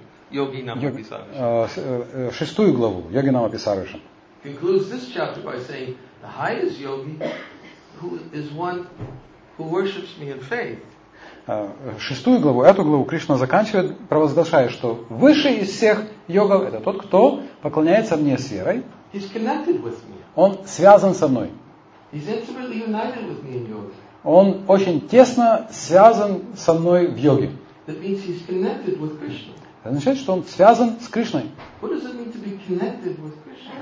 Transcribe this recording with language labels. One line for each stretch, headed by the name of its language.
Russian: Шестую главу Йоги Намаписарыша.
English: Concludes this chapter by saying, the highest yogi who is one who worships me in faith.
Russian: Шестую главу, эту главу Кришна заканчивает, провозглашая, что высший из всех йогов это тот, кто поклоняется мне с верой.
English: He's connected with me.
Russian: Он связан со мной.
English: He's intimately united with me in yoga.
Russian: Он очень тесно связан со мной в йоге.
English: That means he's connected with Krishna.
Russian: Это означает, что он связан с Кришной.
English: What does it mean to be connected with Krishna?